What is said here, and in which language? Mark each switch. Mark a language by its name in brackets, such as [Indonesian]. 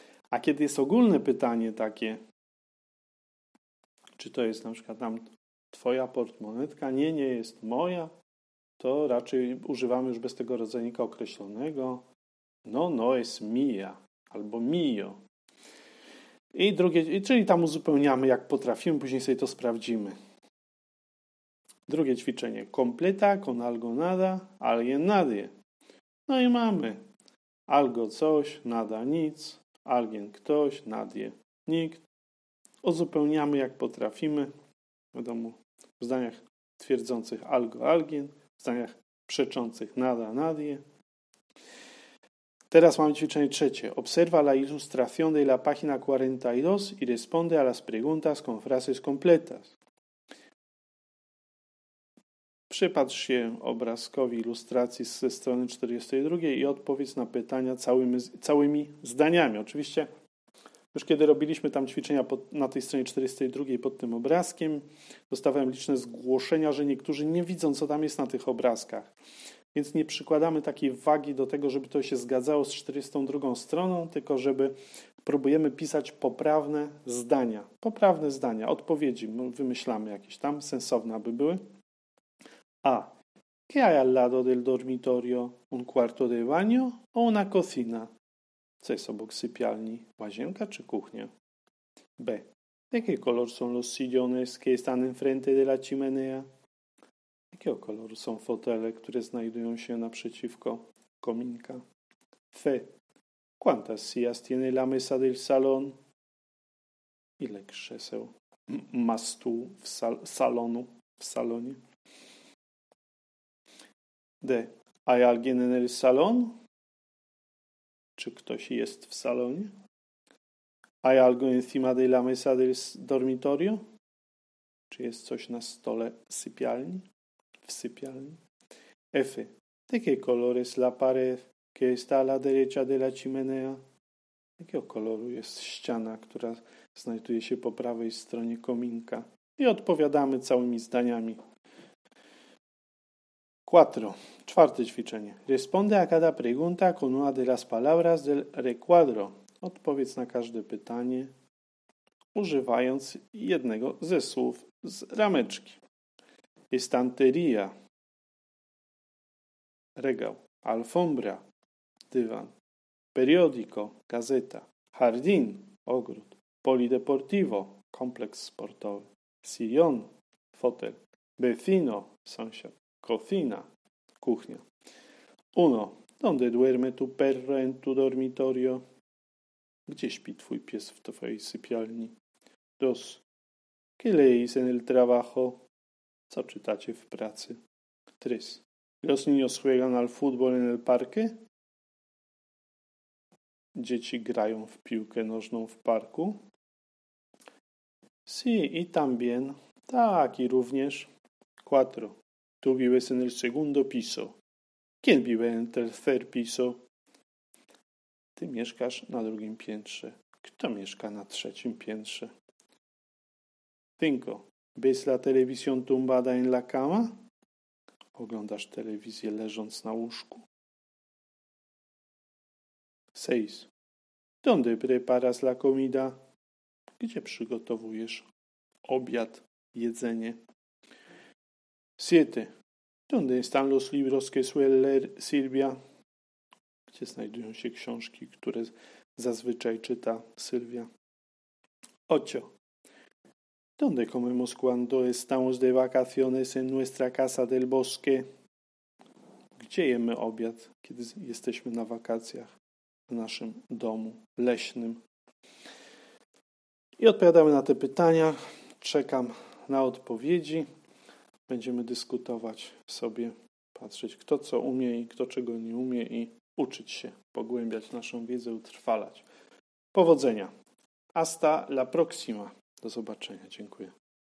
[Polish] A kiedy jest ogólne pytanie takie, czy to jest na przykład tam twoja portmonetka, nie jest moja, to raczej używamy już bez tego rodzajnika określonego. [Spanish] No es mia. [Polish] Albo mio. I drugie, czyli tam uzupełniamy jak potrafimy, później sobie to sprawdzimy. Drugie ćwiczenie. [Spanish] Completa con algo nada, alguien nadie. No i mamy. Algo coś, nada nic, alguien ktoś, nadie nikt. [Polish] Uzupełniamy jak potrafimy. Wiadomo, w zdaniach twierdzących algo, alguien, w zdaniach przeczących nada, nadie. Teraz mamy ćwiczenie trzecie. [Spanish] Observa la ilustración de la página 42 y responde a las preguntas con frases completas. [Polish] Przypatrz się obrazkowi ilustracji ze strony 42 i odpowiedz na pytania całymi zdaniami. Oczywiście już kiedy robiliśmy tam ćwiczenia na tej stronie 42 pod tym obrazkiem, dostawałem liczne zgłoszenia, że niektórzy nie widzą, co tam jest na tych obrazkach. Więc nie przykładamy takiej wagi do tego, żeby to się zgadzało z 42 stroną, tylko żeby próbujemy pisać poprawne zdania. Poprawne zdania, odpowiedzi wymyślamy jakieś tam, sensowne aby były. A. [Spanish] ¿Qué hay al lado del dormitorio? ¿Un cuarto de baño o una cocina? [Polish] Co jest obok sypialni? Łazienka czy kuchnia? B. [Spanish] ¿De qué color son los sillones que están enfrente de la chimenea? [Polish] Jakiego koloru są fotele, które znajdują się naprzeciwko kominka? C. [Spanish] ¿Cuántas sillas tiene la mesa del salón? [Polish] Ile krzeseł ma stół w salonu, w salonie? D. [Spanish] ¿Hay alguien en el salón? [Polish] Czy ktoś jest w salonie? [Spanish] ¿Hay algo encima de la mesa del dormitorio? [Polish] Czy jest coś na stole sypialni? W sypialni. F. [Spanish] ¿De qué color es la pared que está a la derecha de la chimenea? [Polish] Jakiego koloru jest ściana, która znajduje się po prawej stronie kominka? I odpowiadamy całymi zdaniami. 4. Czwarte ćwiczenie. [Spanish] Responde a cada pregunta con una de las palabras del recuadro. [Polish] Odpowiedz na każde pytanie, używając jednego ze słów z rameczki. Estantería, regał, alfombra, dywan, periódico, gazeta, jardín, ogród, polideportivo, kompleks sportowy, sillón, fotel, vecino, sąsiad, cocina, kuchnia. [Spanish] Uno, ¿dónde duerme tu perro en tu dormitorio? [Polish] Gdzie śpi twój pies w twojej sypialni? [Spanish] Dos, ¿qué lees en el trabajo? [Polish] Co czytacie w pracy? [Spanish] 3. Los niños juegan al fútbol en el parque? [Polish] Dzieci grają w piłkę nożną w parku? [Spanish] Sí, y también. [Polish] Tak, i również. [Spanish] Cuatro. Tú vives en el segundo piso. ¿Quién vive en el tercer piso? [Polish] Ty mieszkasz na drugim piętrze. Kto mieszka na trzecim piętrze? [Spanish] Cinco. ¿Ves la televisión tumbada en la cama? [Polish] ¿Oglądasz telewizję leżąc na łóżku? [Spanish] Seis. ¿Dónde preparas la comida? [Polish] Gdzie przygotowujesz obiad, jedzenie? [Spanish] Siete. ¿Dónde están los libros que suele leer Silvia? [Polish] Gdzie znajdują się książki, które zazwyczaj czyta Sylwia? [Spanish] Ocho. ¿Dónde comemos cuando estamos de vacaciones en nuestra casa del bosque? [Polish] Gdzie jemy obiad, kiedy jesteśmy na wakacjach w naszym domu leśnym? I odpowiadamy na te pytania. Czekam na odpowiedzi. Będziemy dyskutować sobie, patrzeć, kto co umie i kto czego nie umie, i uczyć się, pogłębiać naszą wiedzę, utrwalać. Powodzenia. [Spanish] Hasta la próxima. [Polish] Do zobaczenia. Dziękuję.